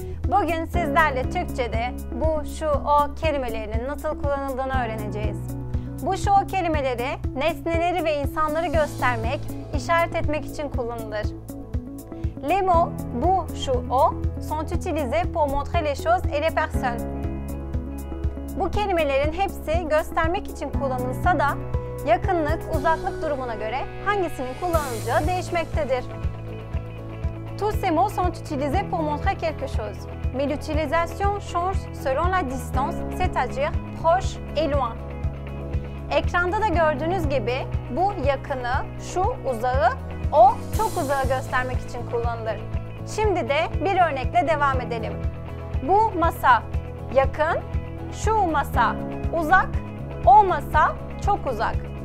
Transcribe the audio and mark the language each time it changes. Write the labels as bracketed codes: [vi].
[tr] Bugün sizlerle Türkçe'de bu, şu, o kelimelerinin nasıl kullanıldığını öğreneceğiz. Bu, şu, o kelimeleri nesneleri ve insanları göstermek, işaret etmek için kullanılır. [fr] Les mots, bu, şu, o sont utilisés pour montrer les choses et les personnes. [tr] Bu kelimelerin hepsi göstermek için kullanılsa da yakınlık, uzaklık durumuna göre hangisinin kullanılacağı değişmektedir. [fr] Tous ces mots sont utilisés pour montrer quelque chose. Mais l'utilisation change selon la distance, c'est-à-dire proche et loin. [tr] Ekranda da gördüğünüz gibi bu yakını, şu uzağı, o çok uzağı göstermek için kullanılır. Şimdi de bir örnekle devam edelim. Bu masa yakın, şu masa uzak, o masa çok uzak.